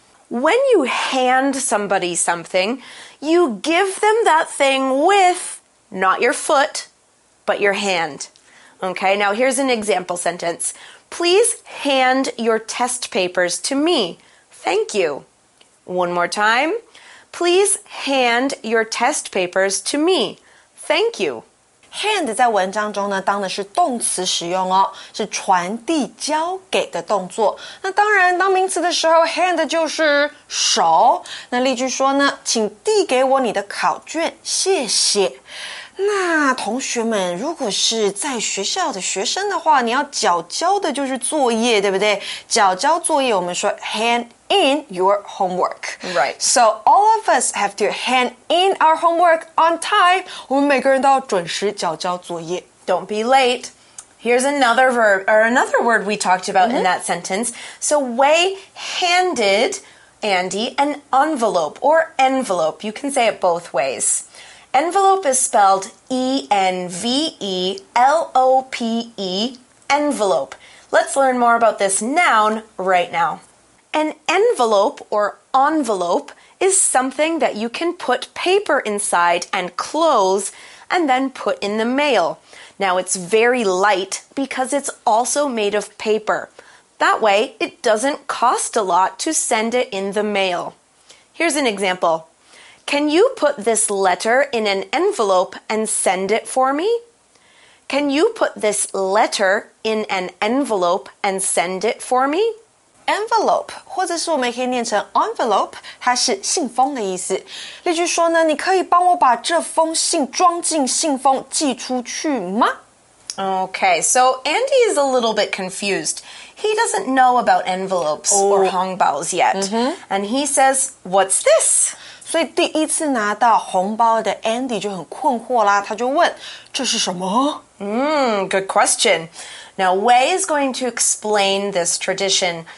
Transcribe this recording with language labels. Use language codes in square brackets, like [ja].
[en] When you hand somebody something, you give them that thing with, not your foot, but your hand. Okay, now here's an example sentence. Please hand your test papers to me. Thank you. One more time. Please hand your test papers to me. Thank you. [zh] hand 在文章中呢当的是动词使用哦，是传递交给的动作。那当然当名词的时候 hand 就是手。那例句说呢，请递给我你的考卷，谢谢。那同学们，如果是在学校的学生的话，你要缴交的就是作业，对不对？缴交作业，我们说 [en] hand in your homework. Right. So all of us have to hand in our homework on time. [zh] 我们每个人都要准时缴交作业。 [en] Don't be late. Here's another verb, or another word we talked about、mm-hmm. in that sentence. So Wei handed Andy an envelope or envelope. You can say it both ways. Envelope is spelled E-N-V-E-L-O-P-E, envelope. Let's learn more about this noun right now. An envelope or envelope is something that you can put paper inside and close and then put in the mail. Now it's very light because it's also made of paper. That way it doesn't cost a lot to send it in the mail. Here's an example. Can you put this letter in an envelope and send it for me? Can you put this letter in an envelope and send it for me? [zh] Envelope, 或者是我们可以念成 envelope, 它是信封的意思。例句说呢，你可以帮我把这封信装进信封寄出去吗？ [en] Okay, so Andy is a little bit confused. He doesn't know about envelopes、oh. or hongbaos yet.、Mm-hmm. And he says, what's this? [zh] 所以第一次拿到红包的 Andy 就很困惑啦，他就问，这是什么？ [en] Good question. Now, Wei is going to explain this tradition.